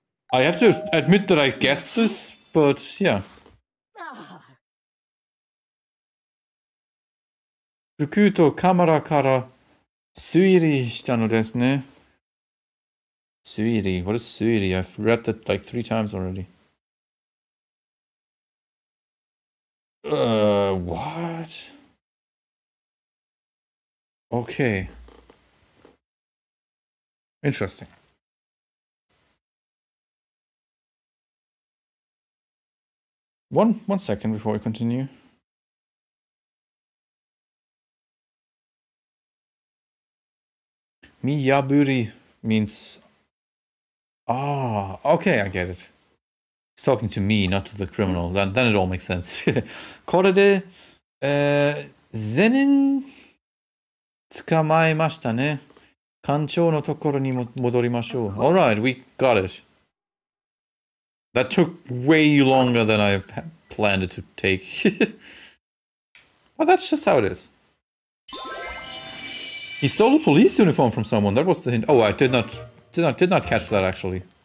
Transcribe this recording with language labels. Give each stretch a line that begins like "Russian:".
English: I have to admit that I guessed this, but yeah.
Japanese: ブクとカメラから推理したのですね。
English: 推理、what is 推理?I've read that like 3 times already. What? Okay. Interesting. One second before we continue. Miyaburi means... Ah, okay, I get it. He's talking to me, not to the criminal. Then it all makes sense.
Japanese: これで全員捕まえましたね。官庁のところに戻りましょう。
English: All right, we got it. That took way longer than I... planned to take. Well, that's just how it is. He stole a police uniform from someone. That was the hint. Oh, I did not catch that actually.